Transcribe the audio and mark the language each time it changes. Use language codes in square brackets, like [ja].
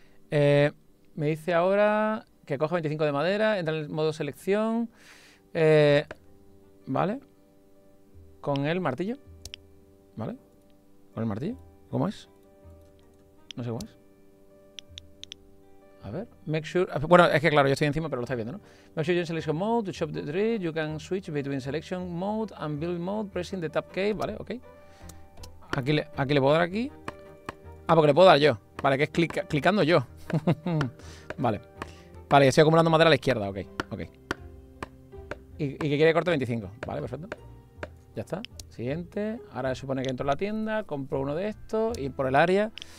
[es] Me dice ahora que coja 25 de madera, entra en el modo selección. Vale, con el martillo. Vale, con el martillo, ¿cómo es? No sé cómo es. A ver, make sure. Bueno, es que claro, yo estoy encima, pero lo estáis viendo, ¿no? [en] Make sure you're in selection mode to chop the tree. You can switch between selection mode and build mode pressing the tab key. [es] Vale, ok. Aquí le puedo dar aquí. Ah, porque le puedo dar yo. Vale, que es clicando yo. Vale. Vale, estoy acumulando madera a la izquierda, ok. Ok. Y que quiere corte 25. Vale, perfecto. Ya está. Siguiente. Ahora se supone que entro a la tienda, compro uno de estos y por el área.